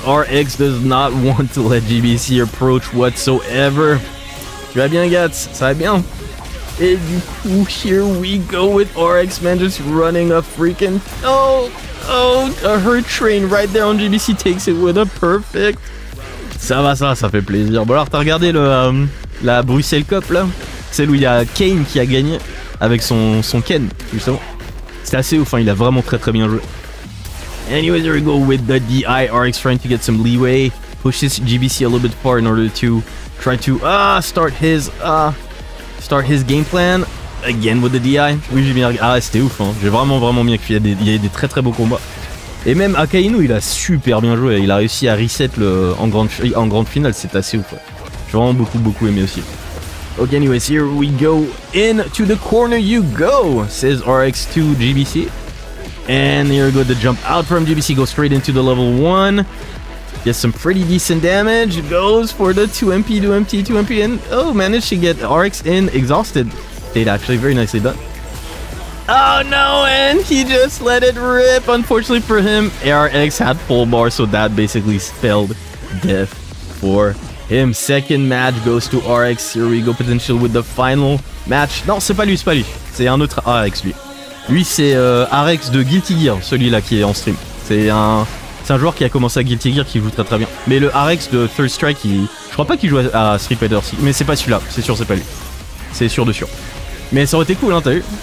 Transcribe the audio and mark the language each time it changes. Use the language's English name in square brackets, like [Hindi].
[English] RX does not want to let GBC approach whatsoever. [French] Très bien, Gats. Très bien. [English] And here we go with RX, man, just running a freaking... Oh, a hurt train right there on GBC takes it with a perfect. [French] Ça va, ça, ça fait plaisir. Bon, alors, t'as regardé la Bruxelles Cup, là? Celle où il y a Kane qui a gagné avec son Ken, justement. C'était assez ouf, hein, il a vraiment très, très bien joué. [English] Anyways, here we go with the DI. RX trying to get some leeway. Pushes GBC a little bit far in order to try to start his game plan. Again with the DI. [French] Oui, j'ai bien. Ah, c'était ouf, hein. J'ai vraiment, vraiment bien cru. Il y a des très, très beaux combats. Et même Akainu, il a super bien joué. Il a réussi à reset en grande finale. C'est assez ouf, ouais. J'ai vraiment beaucoup, beaucoup aimé aussi. [English] Okay, anyways, here we go. Into the corner you go, says RX to GBC. And here we go. The jump out from GBC goes straight into the level 1. He has some pretty decent damage. Goes for the 2MP, 2MP, 2MP, and oh, managed to get RX in exhausted state, actually. Very nicely done. Oh no, and he just let it rip. Unfortunately for him, RX had full bar, so that basically spelled death for him. Second match goes to RX. Here we go, potential with the final match. [French] Non, c'est pas lui. C'est un autre RX, lui. Lui, c'est RX de Guilty Gear, celui-là qui est en stream. C'est un joueur qui a commencé à Guilty Gear, qui joue très très bien. Mais le RX de Third Strike, je crois pas qu'il joue à Street Fighter 6. Mais c'est pas celui-là, c'est sûr, c'est pas lui. C'est sûr de sûr. Mais ça aurait été cool, hein, t'as vu.